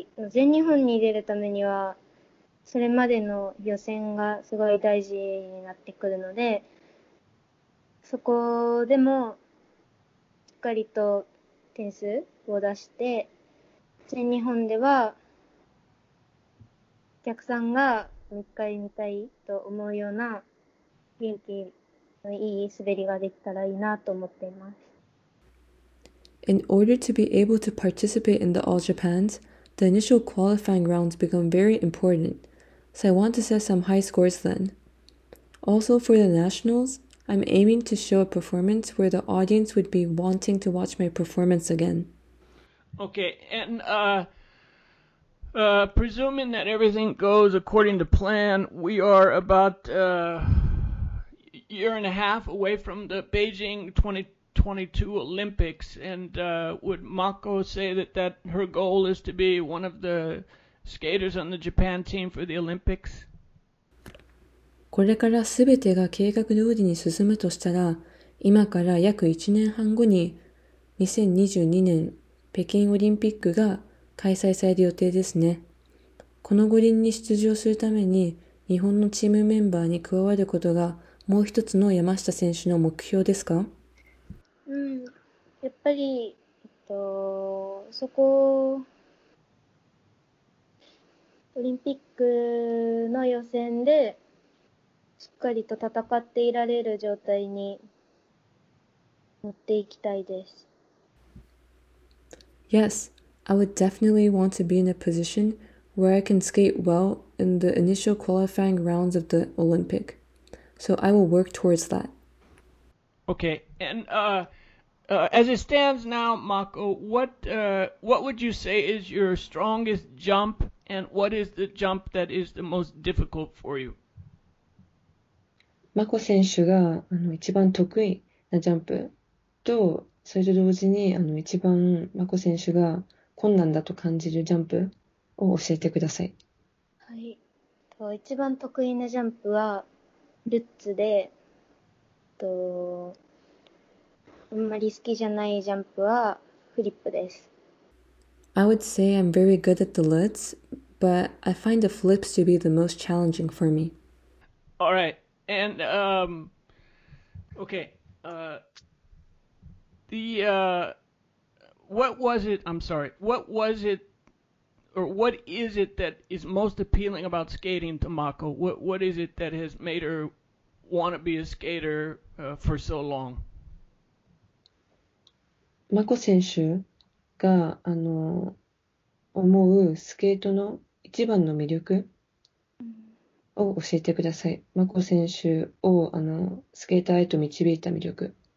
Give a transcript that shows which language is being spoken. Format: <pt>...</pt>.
<ja>全日本に出るためにはそれまでの予選がすごい大事になってくるので、そこでもしっかりと点数を出して、全日本ではお客さんが一回見たいと思うような元気のいい滑りができたらいいなと思っています。</ja> <en>In order to be able to participate in the All Japans, the initial qualifying rounds become very important, so I want to set some high scores then. Also for the nationals, I'm aiming to show a performance where the audience would be wanting to watch my performance again. Okay, and presuming that everything goes according to plan, we are about a year and a half away from the Beijing 2022 Olympics, and would Mako say that her goal is to be one of the skaters on the Japan team for the Olympics?</en> <ja>これから全てが計画通りに進むとしたら、今から約1年半後に2022年北京オリンピックが開催される予定ですね。この五輪に出場するために日本のチームメンバーに加わることがもう一つの山下選手の目標ですか？やっぱり、そこをオリンピックの予選でしっかりと戦っていられる状態に持っていきたいです。</ja> <en>Yes, I would definitely want to be in a position where I can skate well in the initial qualifying rounds of the Olympic. So I will work towards that. Okay, and as it stands now, Mako, what would you say is your strongest jump, and what is the jump that is the most difficult for you?</en> <ja>Mako 選手が一番得意なジャンプと、それと同時に一番 Mako 選手が困難だと感じるジャンプを教えてください。はい、一番得意なジャンプはルッツで、あんまり好きじゃないジャンプはフリップです。</ja> <en>I would say I'm very good at the Lutz, but I find the flips to be the most challenging for me. All right, and okay, what was it? I'm sorry. What was it, or what is it that is most appealing about skating to Mako? What is it that has made her want to be a skater for so long?</en> <ja>マコ選手が思うスケートの一番の魅力を教えてください。マコ選手をスケーターへと導いた魅力。</ja>